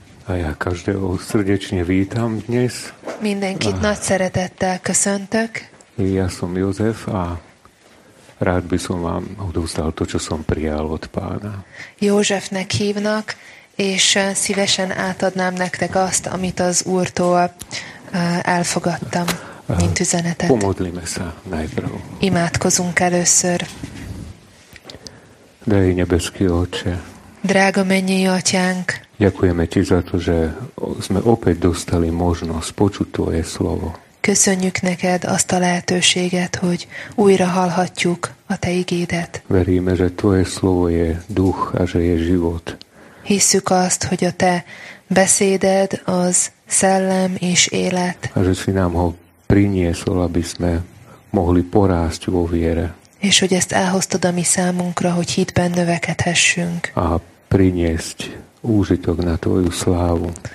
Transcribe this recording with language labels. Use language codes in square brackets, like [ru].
[sk] A ja každého srdečne vítam dnes. [hu] Mindenkit nagy szeretettel köszöntök. [sk] Ja som Jozef a rád by som vám odovzdal to, čo som prijal od Pána. [hu] Józsefnek hívnak, és szívesen átadnám nektek azt, amit az Úrtól elfogadtam, mint üzenetet. [sk] Pomodlíme sa najprv. [hu] Imádkozunk először. [sk] Drahý nebeský Otče, [hu] drága mennyei Atyánk, [sk] ďakujeme Ti za to, že sme opäť dostali možnosť počuť Tvoje slovo. [hu] Köszönjük neked azt a lehetőséget, hogy újra hallhatjuk a Te igédet. [sk] Veríme, že Tvoje slovo je duch a že je život. [hu] Hisszük azt, hogy a Te beszéded az szellem és élet. [sk] A že si nám ho priniesol, aby sme mohli porásť vo viere. [hu] És hogy ezt elhoztad a mi számunkra, hogy hitben növekedhessünk. [sk] A priniesť úžitok na Tvoju slávu.